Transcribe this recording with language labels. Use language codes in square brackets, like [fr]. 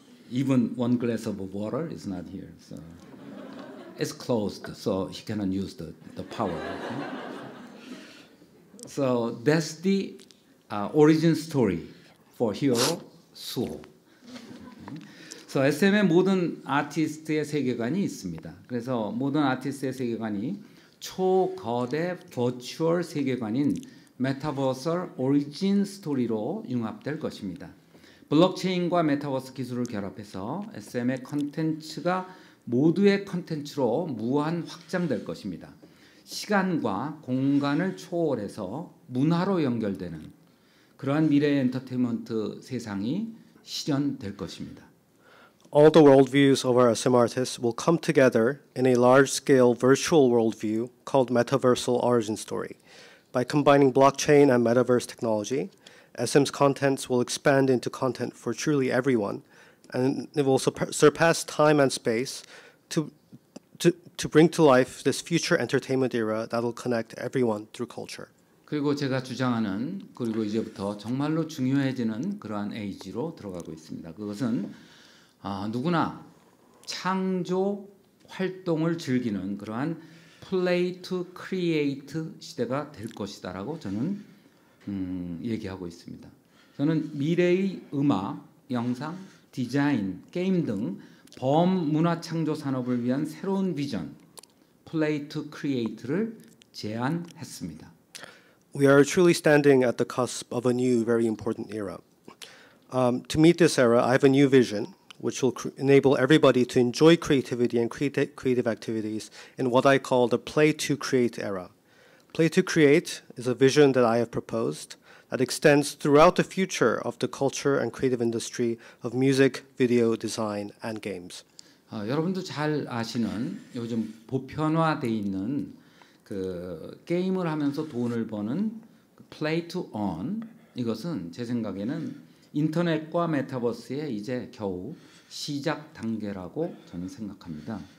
[en] Even one glass of water is not here. So it's closed, so he cannot use the power. Okay? So that's the origin story for Hero Suho. [ko] So SM의 모든 아티스트의 세계관이 있습니다. 그래서 모든 아티스트의 세계관이 초거대 버추얼 세계관인 메타버설 오리진 스토리로 융합될 것입니다. 블록체인과 메타버스 기술을 결합해서 SM의 콘텐츠가 모두의 콘텐츠로 무한 확장될 것입니다. 시간과 공간을 초월해서 문화로 연결되는 그러한 미래의 엔터테인먼트 세상이 실현될 것입니다. [en] All the worldviews of our SM artists will come together in a large-scale virtual worldview called Metaversal Origin Story. By combining blockchain and metaverse technology, SM's contents will expand into content for truly everyone, and it will surpass time and space to bring to life this future entertainment era that will connect everyone through culture. [ko] 그리고 제가 주장하는 그리고 이제부터 정말로 중요해지는 그러한 에이지로 들어가고 있습니다. 그것은 누구나 창조 활동을 즐기는 그러한 play to create 시대가 될 것이다라고 저는 얘기하고 있습니다. 저는 미래의 음악, 영상, 디자인, 게임 등 범문화 창조 산업을 위한 새로운 비전, play to create를 제안했습니다. [en] We are truly standing at the cusp of a new, very important era. To meet this era, I have a new vision, which will enable everybody to enjoy creativity and creative activities in what I call the play to create era. Play to create is a vision that I have proposed that extends throughout the future of the culture and creative industry of music, video, design, and games. [ko] 여러분도 잘 아시는 요즘 보편화되어 있는 그 게임을 하면서 돈을 버는 play to earn 이것은 제 생각에는 인터넷과 메타버스의 이제 겨우 시작 단계라고 저는 생각합니다.